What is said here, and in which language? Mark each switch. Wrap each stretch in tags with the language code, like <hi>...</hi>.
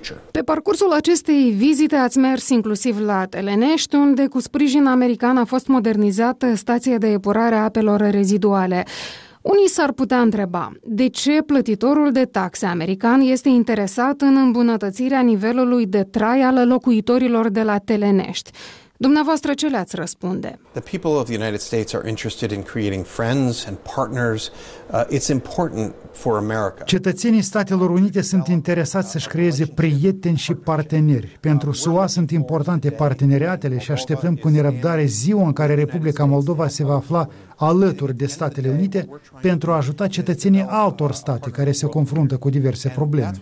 <ro>Pe parcursul acestei vizite ați mers inclusiv la Telenești, unde cu sprijin american a fost modernizată stația de epurare a apelor reziduale. Unii s-ar putea întreba, de ce plătitorul de taxe american este interesat în îmbunătățirea nivelului de trai al locuitorilor de la Telenești? Dumneavoastră, ce le-ați răspunde?</ro> <en>The people of the United States are interested in creating friends and partners. It's important for America.</en> <ro>Cetățenii Statelor Unite sunt interesați să-și creeze prieteni și parteneri. Pentru SUA sunt importante parteneriatele și așteptăm cu nerăbdare ziua în care Republica Moldova se va afla alături de Statele Unite pentru a ajuta cetățenii altor state care se confruntă cu diverse probleme.</ro>